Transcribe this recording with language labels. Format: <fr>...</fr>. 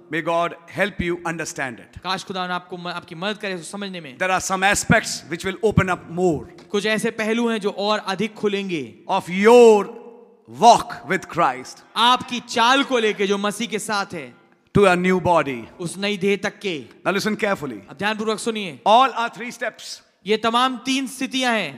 <en>May God help you understand it.</en> <hi>काश खुदा आपको आपकी मदद करे इसको समझने में।</hi> <en>There are some aspects which will open up more.</en> <hi>कुछ ऐसे पहलू हैं जो और अधिक खुलेंगे।</hi> <en>Of your walk with Christ.</en> <hi>आपकी चाल को लेके जो मसीह के साथ है।</hi> <en>To a new body.</en> <hi>उस नई देह तक के।</hi> <en>Now listen carefully.</en> <hi>अब ध्यानपूर्वक सुनिए।</hi> <en>All are three steps.</en> <hi>ये तमाम तीन स्थितियां हैं।</hi>